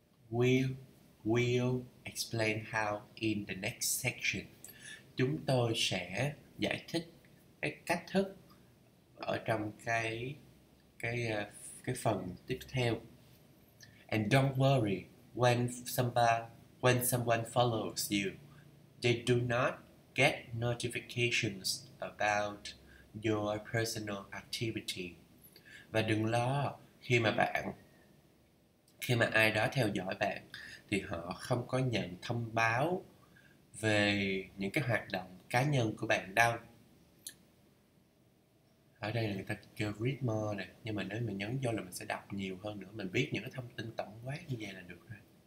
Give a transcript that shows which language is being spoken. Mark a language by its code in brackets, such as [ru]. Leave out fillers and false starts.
[en] We'll explain how in the next section. [vi] Chúng tôi sẽ giải thích cái cách thức ở trong cái phần tiếp theo. [en] And don't worry when someone follows you, they do not get notifications about your personal activity. [vi] Và đừng lo, khi mà ai đó theo dõi bạn thì họ không có nhận thông báo về những cái hoạt động cá nhân của bạn đâu. Ở đây là người ta kêu read more này, nhưng mà nếu mình nhấn vô là mình sẽ đọc nhiều hơn nữa, mình biết những cái thông tin tổng quát như vậy là được rồi.